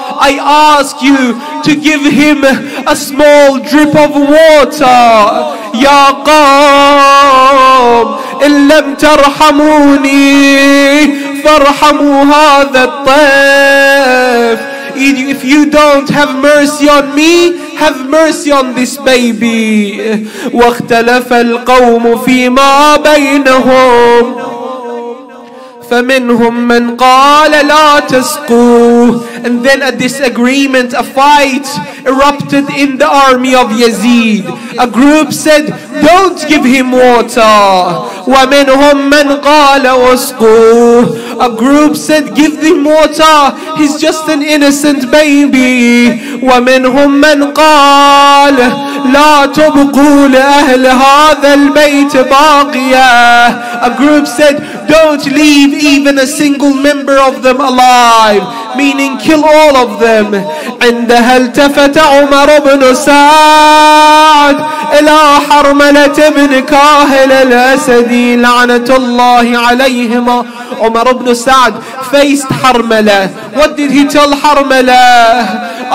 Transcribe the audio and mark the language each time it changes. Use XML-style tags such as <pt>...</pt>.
<en>I ask you to give him a small drip of water.</en> <ar>يا قام إن لم ترحموني فارحموا هذا الطيف.</ar> <en>If you don't have mercy on me, have mercy on this baby.</en> <ar>واختلف القوم فيما بينهم فمنهم من قال لا تسقوه.</ar> <en>And then a disagreement, a fight erupted in the army of Yazid. A group said, don't give him water.</en> <ar>ومنهم من قال وسقوه.</ar> <en>A group said, give him water, he's just an innocent baby.</en> <ar>ومنهم من قال لا تبقوا لأهل هذا البيت باقيا.</ar> <en>A group said, don't leave even a single member of them alive, meaning kill all of them.</en> <ar>عندها التفت عمر بن سعد إلى حرملة بن كاهل الأسدي لعنة الله عليهما.</ar> <en>Omar ibn Saad faced Harmala. What did he tell Harmala?</en>